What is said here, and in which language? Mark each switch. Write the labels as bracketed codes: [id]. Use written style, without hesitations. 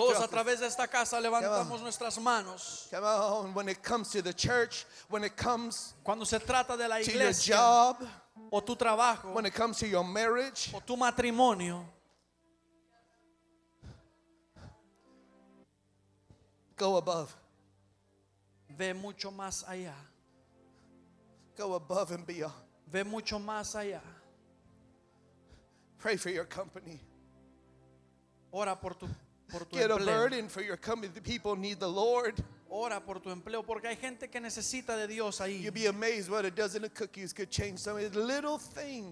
[es] todos a través de esta casa levantamos nuestras manos. [en] Come on. When it comes to the church, when it comes [es] cuando se trata de la iglesia, [en] to your job, [es] o tu trabajo, [en] when it comes to your marriage, [es] o tu matrimonio. [en] Go above. [es] Ve mucho más allá. [en] Go above and beyond. [es] Ve mucho más allá. [en] Pray for your company. [es] Ora por tu empleo. [en] Get a burden for your company. The people need the Lord. [es] Ora por tu empleo porque hay gente que necesita de Dios ahí. [en] You'd be amazed what a dozen of cookies could change some of the little things.